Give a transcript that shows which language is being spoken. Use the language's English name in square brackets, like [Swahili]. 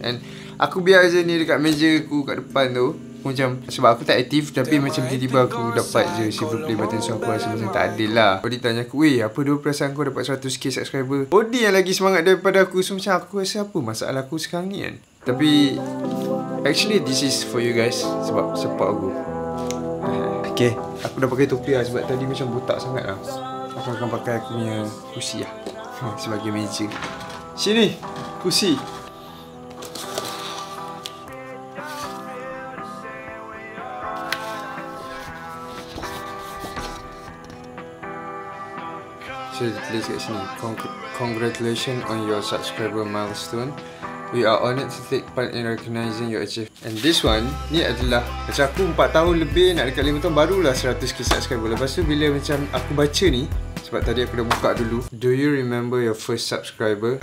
[Malay] And aku biar je ni dekat meja aku kat depan tu. Aku macam, sebab aku tak aktif tapi macam tiba-tiba aku dapat je silver play button. So aku rasa macam tak adil lah. Odi tanya aku, weh apa dua perasaan kau dapat 100k subscriber? Odi yang lagi semangat daripada aku. So macam aku rasa apa masalah aku sekarang ni kan? [English] Tapi actually this is for you guys [Malay] sebab support aku. Okay, aku dah pakai topi lah sebab tadi macam botak sangat lah. Aku akan pakai aku punya kursi lah sebagai meja. Sini, kursi. So, ditulis kat sini. [English] Congratulations on your subscriber milestone. We are honored to take part in recognizing your achievement. And this one, [Malay] ni adalah macam aku 4 tahun lebih, nak dekat 5 tahun, barulah 100k subscriber. Lepas tu bila macam aku baca ni, sebab tadi aku dah buka dulu. [English] Do you remember your first subscriber?